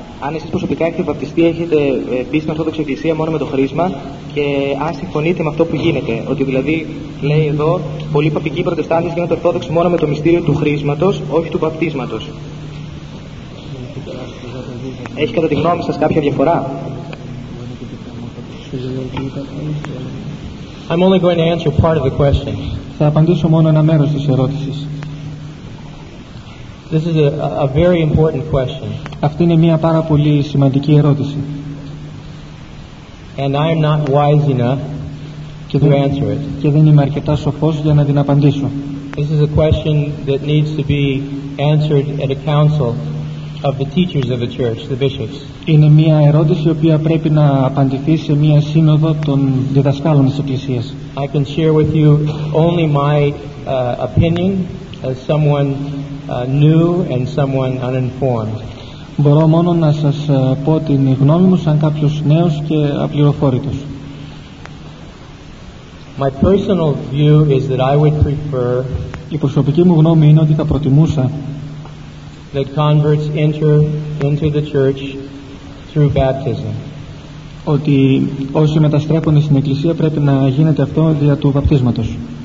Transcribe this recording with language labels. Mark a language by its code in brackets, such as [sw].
[el] Αν εσείς προσωπικά έχετε βαπτιστεί, έχετε μπει στην Ορθόδοξη Εκκλησία μόνο με το χρήσμα και αν συμφωνείτε με αυτό που γίνεται. Ότι δηλαδή λέει εδώ, πολλοί παπικοί Προτεστάντες γίνονται Ορθόδοξοι μόνο με το μυστήριο του χρήσματος, όχι του βαπτίσματος. Έχει κατά τη γνώμη σας κάποια διαφορά? [en] I'm only going to answer part of the questions. [el] Θα απαντήσω μόνο ένα μέρος της ερώτησης. [en] This is a very important question. [el] Αυτή είναι μια πάρα πολύ σημαντική ερώτηση. [en] And I'm not wise enough to answer it. [el] Και δεν είμαι αρκετά σοφός για να την απαντήσω. [en] This is a question that needs to be answered at a council of the teachers of the church, the bishops. [el] Είναι μια ερώτηση η οποία πρέπει να απαντηθεί σε μια σύνοδο των διδασκάλων της Εκκλησίας. [en] I can share with you only my opinion as someone new and someone uninformed. [el] Μπορώ μόνο να σας πω την γνώμη μου σαν κάποιος νέος και απληροφόρητος. [en] My personal view is that I would prefer. [el] Η προσωπική μου γνώμη είναι ότι θα προτιμούσα [en] that converts enter into the church through baptism. [el] Ότι όσοι μεταστρέπονται στην Εκκλησία πρέπει να γίνεται αυτό δια του βαπτίσματος.